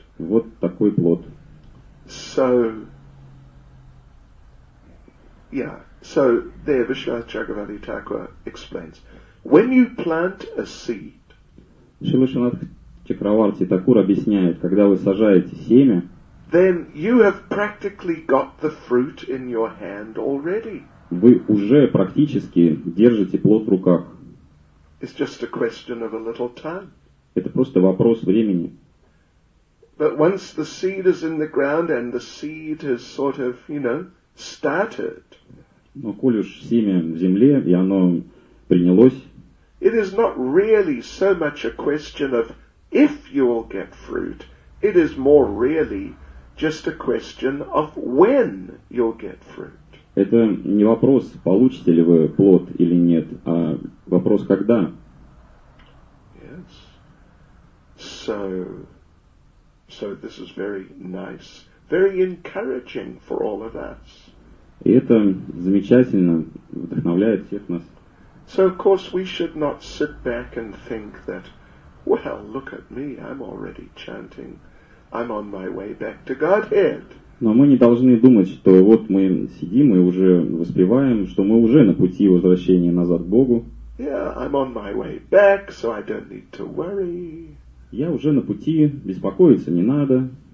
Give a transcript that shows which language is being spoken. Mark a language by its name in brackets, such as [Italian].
[Russian] Вот такой плод. [English] So, yeah. So there, Vishwanatha Chakravarti Thakura explains. When you plant a seed, [Russian] Шилашанатх Чакраварти Такур объясняет, когда вы сажаете семя, [English] then you have practically got the fruit in your hand already. [Russian] Вы уже практически держите плод в руках. [English] It's just a question of a little time. [Russian] Это просто вопрос времени. [English] But once the seed is in the ground and the seed has sort of, you know, started. [Russian] Но коль уж семя в земле, и оно принялось. [English] It is not really so much a question of if you will get fruit. It is more really just a question of when you'll get fruit. [Russian] Это не вопрос, получите ли вы плод или нет, а вопрос когда. [English] Yes. So, this is very nice, very encouraging for all of us. [Russian] И это замечательно, вдохновляет всех нас. [English] So of course we should not sit back and think that, well, look at me, I'm already chanting, I'm on my way back to Godhead. [Russian] Но мы не должны думать, что вот мы сидим и уже воспеваем, что мы уже на пути возвращения назад к Богу. [English] Yeah, I'm on my way back, so I don't need to worry. [Russian] Я уже на пути, беспокоиться не надо.